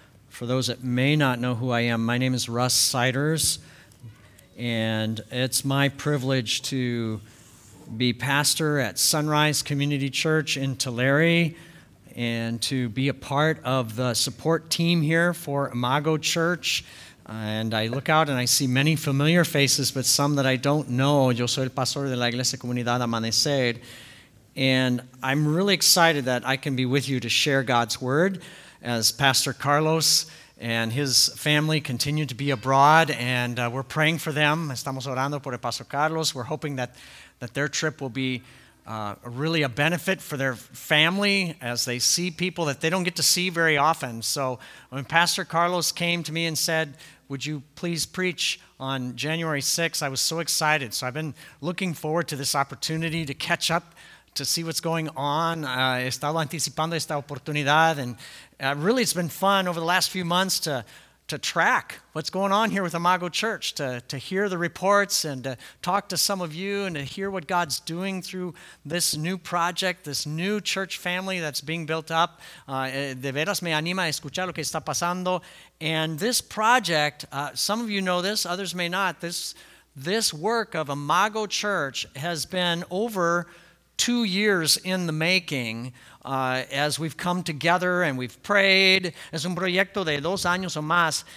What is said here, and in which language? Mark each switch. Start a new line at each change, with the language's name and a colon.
English: For those that may not know who I am, my name is Russ Siders, and it's my privilege to be pastor at Sunrise Community Church in Tulare and to be a part of the support team here for Imago Church. And I look out and I see many familiar faces, but some that I don't know.
Spanish: Yo soy el pastor de la Iglesia Comunidad Amanecer.
English: And I'm really excited that I can be with you to share God's word as Pastor Carlos and his family continue to be abroad. And we're praying for them.
Spanish: Estamos orando por el Pastor Carlos.
English: We're hoping that their trip will be really a benefit for their family as they see people that they don't get to see very often. So when Pastor Carlos came to me and said, would you please preach on January 6th, I was so excited. So I've been looking forward to this opportunity to catch up, to see what's going on.
Spanish: Estaba anticipando esta oportunidad.
English: And really, it's been fun over the last few months to track what's going on here with Imago Church, to hear the reports and to talk to some of you and to hear what God's doing through this new project, this new church family that's being built up.
Spanish: De veras me anima a escuchar lo que está pasando.
English: And this project, some of you know this, others may not, this work of Imago Church has been over 2 years in the making. As we've come together and we've prayed,
Spanish: es un proyecto de dos años o más.